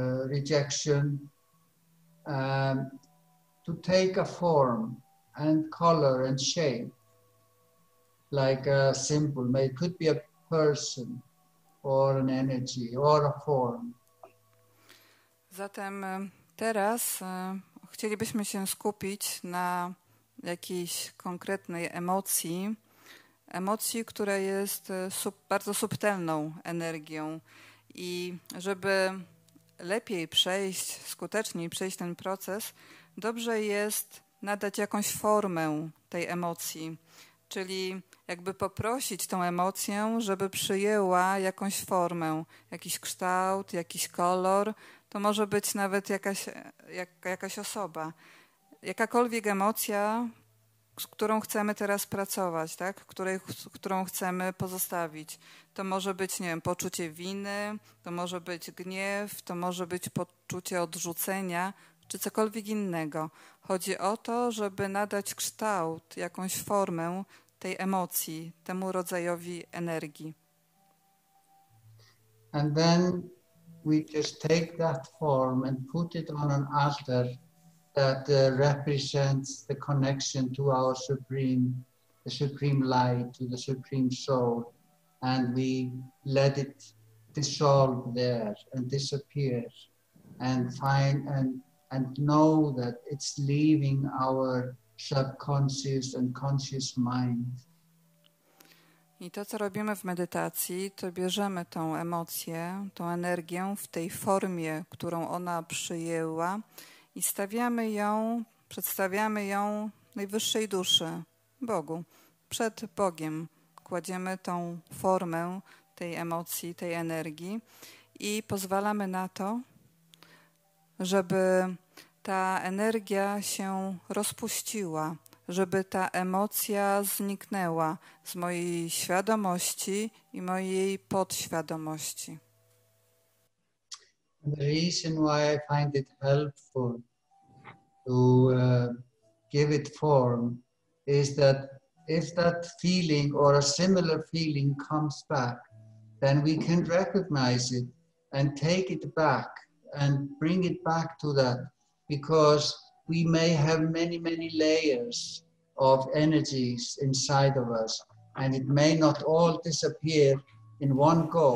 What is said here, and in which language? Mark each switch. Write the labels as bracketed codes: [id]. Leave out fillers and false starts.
[en] rejection to take a form and color and shape, like a symbol. It could be a person or an energy or a form. [pl] Zatem teraz chcielibyśmy się skupić na jakiejś konkretnej emocji, emocji, która jest bardzo subtelną energią. I żeby lepiej przejść, skuteczniej przejść ten proces, dobrze jest nadać jakąś formę tej emocji, czyli jakby poprosić tą emocję, żeby przyjęła jakąś formę, jakiś kształt, jakiś kolor. To może być nawet jakaś osoba, jakakolwiek emocja, z którą chcemy teraz pracować, tak? Którą chcemy pozostawić. To może być, nie wiem, poczucie winy, to może być gniew, to może być poczucie odrzucenia, czy cokolwiek innego. Chodzi o to, żeby nadać kształt, jakąś formę tej emocji, temu rodzajowi energii. [en] And then we just take that form and put it on an altar that represents the connection to our supreme, the supreme light, to the supreme soul, and we let it dissolve there and disappear, and find and know that it's leaving our subconscious and conscious mind. [pl] I to, co robimy w medytacji, to bierzemy tą emocję, tą energię w tej formie, którą ona przyjęła, i stawiamy ją, przedstawiamy ją najwyższej duszy, Bogu. Przed Bogiem kładziemy tą formę tej emocji, tej energii i pozwalamy na to, żeby ta energia się rozpuściła, żeby ta emocja zniknęła z mojej świadomości i mojej podświadomości. [en] The reason why I find it helpful to give it form is that if that feeling or a similar feeling comes back, then we can recognize it and take it back and bring it back to that, because we may have many, many layers of energies inside of us and it may not all disappear in one go.